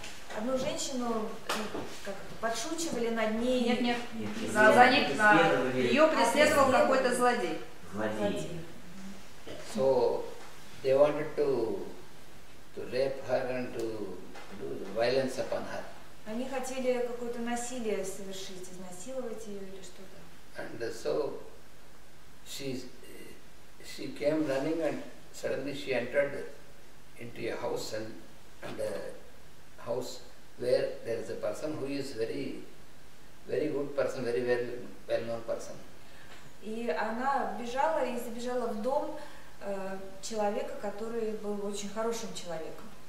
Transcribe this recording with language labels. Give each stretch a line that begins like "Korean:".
Russian: Одну женщину как подшучивали над ней. Ее преследовал какой-то злодей. Злодей.
English: So they wanted to rape her and to violence upon her.
Russian: Они хотели какое-то насилие совершить, изнасиловать ее или что-то.
English: And so she came running and suddenly she entered into a house and a house where there is a person who is very very good person, very well known person.
Russian: И она бежала и забежала в дом человека, который был очень хорошим человеком.